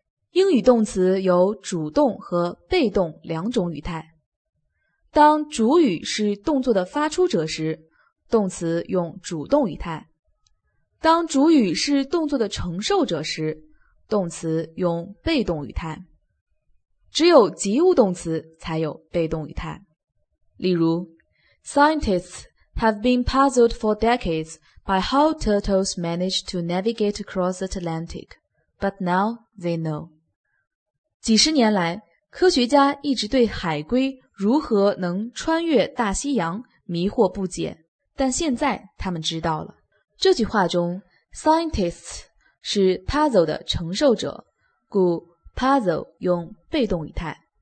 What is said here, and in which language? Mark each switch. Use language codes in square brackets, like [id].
[zh] 英语动词有主动和被动两种语态。当主语是动作的发出者时，动词用主动语态。当主语是动作的承受者时，动词用被动语态。只有及物动词才有被动语态。例如 [en] ,Scientists have been puzzled for decades by how turtles manage to navigate across the Atlantic, but now they know. [zh] 几十年来，科学家一直对海龟如何能穿越大西洋迷惑不解，但现在他们知道了。这句话中 ,Scientists 是 puzzle 的承受者，故puzzle 用被动语态。